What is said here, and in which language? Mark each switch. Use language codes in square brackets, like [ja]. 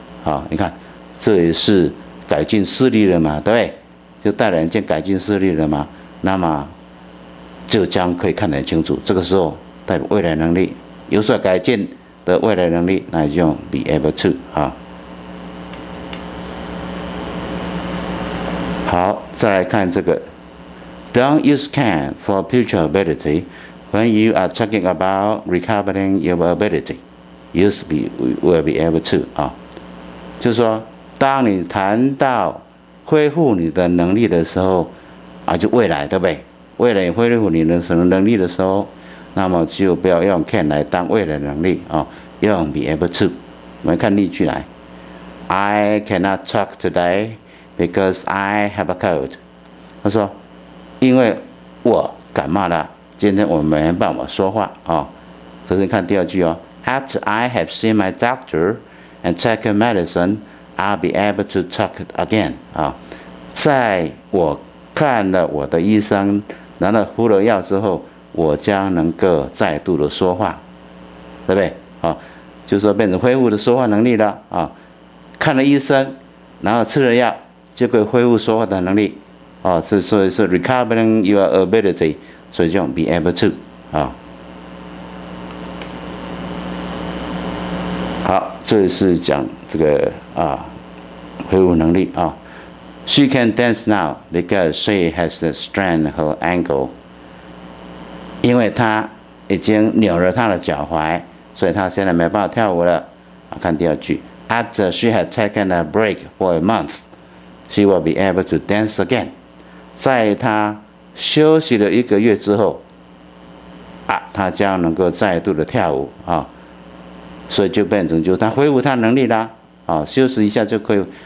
[zh] 好，你看，这也是改进视力了嘛，对不对？就戴了眼镜改进视力了嘛，那么。就将可以看得很清楚，这个时候代表未来能力有所改进的未来能力，那就用 be able to 啊。好，再来看这个 [en] ，Don't use can for future ability when you are talking about recovering your ability. Use be will be able to [zh] 啊，就是说，当你谈到恢复你的能力的时候，啊，就未来，对不对？未来恢复你的什么能力的时候，那么就不要用 can 来当未来能力啊、哦，用 be able to。我们看例句来 [en] ，I cannot talk today because I have a cold。 [zh] 他说，因为我感冒了，今天我没办法说话啊、哦。可是你看第二句哦 ， [en] After I have seen my doctor and taken medicine, I'll be able to talk again [zh] 啊、哦，在我看了我的医生，拿了敷了药之后，我将能够再度的说话，对不对？啊、哦，就是说变成恢复的说话能力了啊、哦。看了医生，然后吃了药，就可以恢复说话的能力啊、哦。所以是 [en] recovering your ability， [zh] 所以就用 be able to 啊、哦。好，这是讲这个啊，恢复能力啊。 [en] She can dance now because she has the strength her ankle. [zh] 因为她已经扭了她的脚踝，所以她现在没办法跳舞了。看第二句 [en] ，After she has taken a break for a month, she will be able to dance again. [zh] 在她休息了一个月之后，啊，她将能够再度的跳舞啊，所以就变成就她恢复她能力啦啊，休息一下就可以。